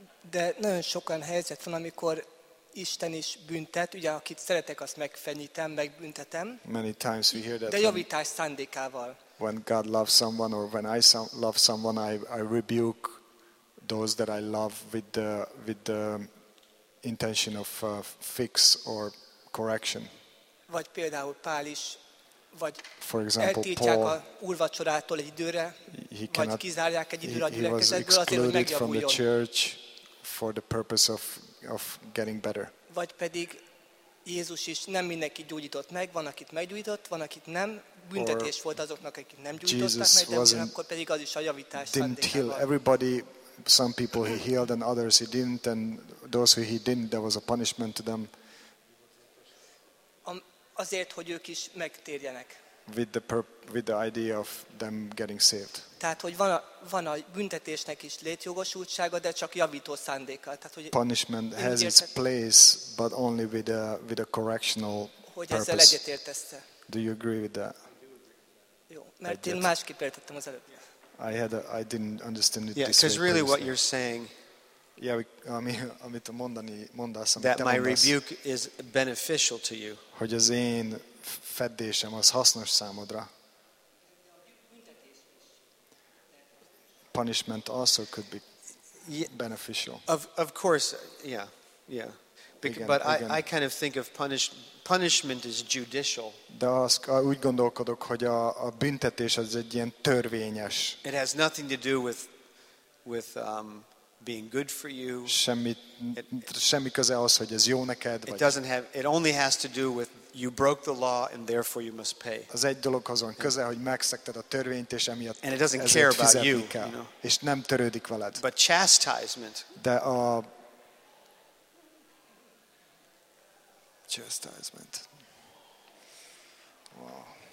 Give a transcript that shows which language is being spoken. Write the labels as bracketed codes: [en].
[hu] De nagyon sok olyan helyzet van, amikor Isten is büntet, ugye akit szeretek, azt megfenyítem, megbüntetem. [en] Many times we hear that. [hu] De javítás szándékával. [en] When God loves someone or when I love someone, I rebuke those that I love with the intention of fix or correction. [hu] Vagy például Pál is. Vagy [en] for example, Paul, [hu] a úrvacsorától egy időre, vagy kizárják egy időre a gyülekezetből, azért, hogy megjavuljon. [en] From the church for the purpose of getting better. [hu] Vagy pedig Jézus is nem mindenki gyógyított meg, van akit meggyógyított, van akit nem, büntetés [en] or [hu] volt azoknak, akik nem gyógyították meg, de akkor pedig az is a javítás szándékával. [en] Everybody, some people he healed and others he didn't, and those who he didn't, there was a punishment to them. [hu] Azért, hogy ők is megtérjenek. [en] With the idea of them getting saved. [hu] Tehát, hogy van a büntetésnek is létjogosultsága, de csak javító szándéka. Tehát, hogy [en] punishment has its place, but only with a correctional purpose. [hu] Hogy ezzel egyetértesz-e? [en] Do you agree with that? [hu] Jó, mert én másképp értettem az előbb. [en] I didn't understand it. Yeah, because really personally. What you're saying. [hu] Yeah, amit mondasz, amit [en] that my rebuke is beneficial to you. [hu] Hogy az én feddésem az hasznos számodra. [en] Punishment also could be beneficial. Of course, yeah, yeah. But I kind of think of punishment is judicial. [hu] De azt úgy gondolkodok, hogy a büntetés az egy ilyen törvényes. [en] It has nothing to do with being good for you. [hu] Semmi köze az, hogy ez jó neked. [en] It doesn't have. It only has to do with you broke the law and therefore you must pay. [hu] Az egy dologhoz van köze, hogy megszegted a törvényt és emiatt. [en] And it doesn't care about you. [hu] És nem törődik veled. [en] But chastisement. [hu] De a chastisement. Wow.